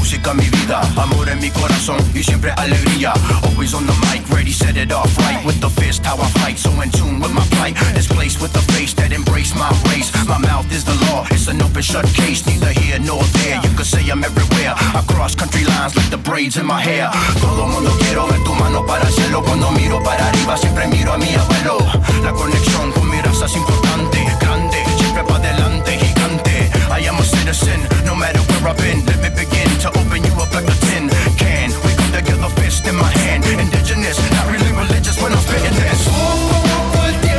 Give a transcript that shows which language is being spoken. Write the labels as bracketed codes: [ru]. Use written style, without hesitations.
[es] Mi vida, amor en mi corazón y siempre alegría. [en] Always on the mic, ready, set it off right. With the fist, how I fight, so in tune with my plight. This place with the face that embrace my race. My mouth is the law, it's an open shut case. Neither here nor there, you can say I'm everywhere. Across country lines like the braids in my hair. [es] Todo mundo quiero ver tu mano para el cielo. Cuando miro para arriba, siempre miro a mi abuelo. La conexión con mi raza es importante. Grande, siempre pa' delante, gigante. [en] I am a citizen, no matter where I've been. Let me begin to open you up like a tin can. We come together, fist in my hand. Indigenous, not really religious when I'm spitting this.